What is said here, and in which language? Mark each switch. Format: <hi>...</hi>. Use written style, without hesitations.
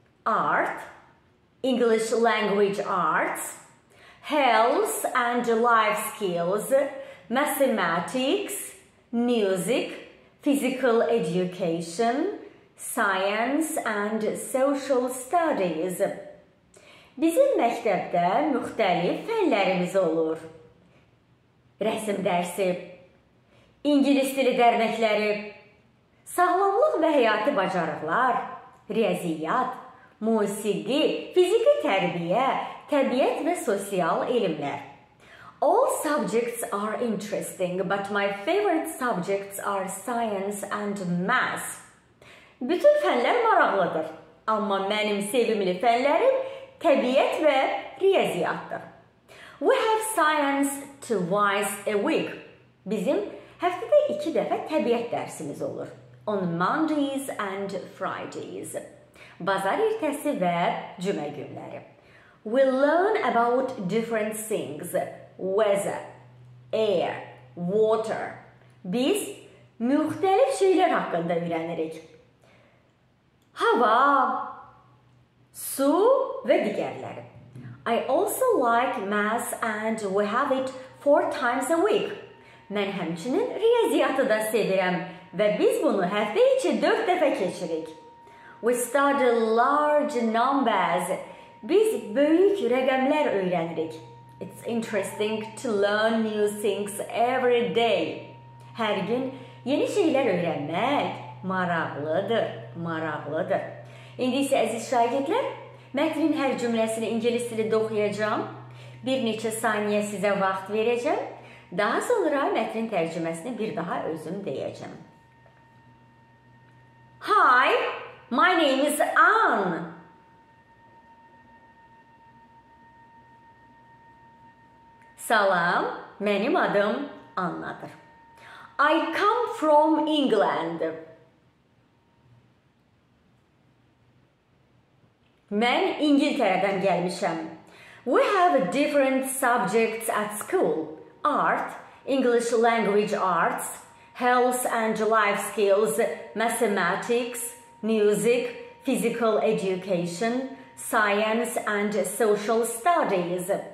<en>Art, English language arts, health and life skills, mathematics, music, physical education, science and social studies.</en> <az>Bizim məktəbdə müxtəlif fənlərimiz olur. Rəsim dərsi, İngilis dili dərnəkləri, sağlamlıq və həyati bacarıqlar, riyaziyyat, musiqi, fiziki tərbiyə, təbiət və sosial elmlər.</az> <en>All subjects are interesting, but my favorite subjects are science and math.</en> <az>Bütün fənlər maraqlıdır, amma mənim sevimli fənlərim təbiət və riyaziyyatdır.</az> <en>We have science twice a week.</en> <az>Bizim həftədə iki dəfə təbiət dərsimiz olur.</az> <en>On Mondays and Fridays.</en> <az>Bazar ertəsi və cümə günləri.</az> <en>We learn about different things. Weather, air, water.</en> <az>Biz müxtəlif şeylər haqqında öyrənirik. Hava, su və digərləri.</az> <en>I also like math and we have it four times a week.</en> <az>Mən həmçinin riyaziyyatı da sevirəm və biz bunu həftə içi dörd dəfə keçirik.</az> <en>We study large numbers.</en> <az>Biz böyük rəqəmlər öyrənirik.</az> <en>It's interesting to learn new things every day.</en> <az>Hər gün yeni şeylər öyrənmək maraqlıdır. İndi isə əziz şagirdlər, mətnin hər cümləsini ingilis dilində oxuyacağım. Bir neçə saniyə sizə vaxt verəcəm. Daha sonra mətnin tərcüməsini bir daha özüm deyəcəm.</az> <en>Hi, my name is Anne.</en> <az>Salam, mənim adım Annadır.</az> <en>I come from England.</en> <az>Mən İngiltərədən gəlmişəm.</az> <en>We have different subjects at school. Art, English language arts, health and life skills, mathematics, music, physical education, science and social studies.</en>